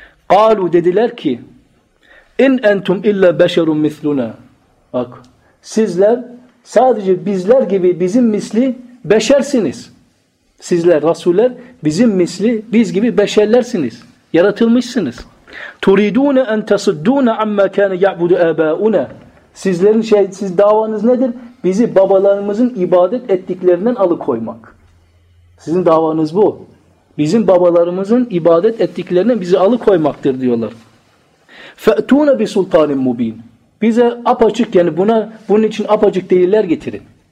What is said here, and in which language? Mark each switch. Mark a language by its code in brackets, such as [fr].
[ar] قَالُوا [tr] Dediler ki [ar] اِنْ اَنْتُمْ اِلَّا بَشَرٌ مِثْلُنَا [tr] Bak sizler sadece bizler gibi bizim misli beşersiniz. Sizler, Resuller bizim misli biz gibi beşerlersiniz. Yaratılmışsınız. [ar] تُرِيدُونَ اَنْ تَصُدُّونَ عَمَّا كَانَ يَعْبُدُ اَبَاءُنَا [tr] Sizlerin şey, siz davanız nedir? Bizi babalarımızın ibadet ettiklerinden alıkoymak. Sizin davanız bu. Bizim babalarımızın ibadet ettiklerinden bizi alıkoymaktır diyorlar. [ar] فَأْتُونَ بِسُلْطَانٍ مُب۪ينٍ [tr] Bize apaçık yani buna bunun için apaçık deliller getirin.